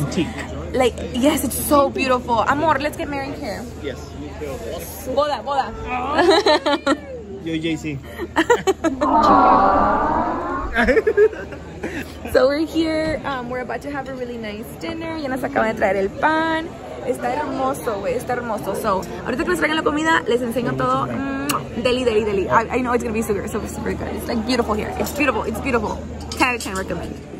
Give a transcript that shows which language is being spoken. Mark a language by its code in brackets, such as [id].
[en] Antique. Like, yes, it's so beautiful. Amor, let's get married here. Yes, you too. [es] Boda, boda. [en] Yo, JC. So we're here, we're about to have a really nice dinner. [es] Ya nos acaban de traer el pan. Está hermoso, güey, está hermoso. So, ahorita que nos traigan la comida, les enseño todo. Deli, deli, deli. [en] I know it's gonna be super, super, super good. It's like beautiful here. It's beautiful, it's beautiful. 10 out of 10 recommend.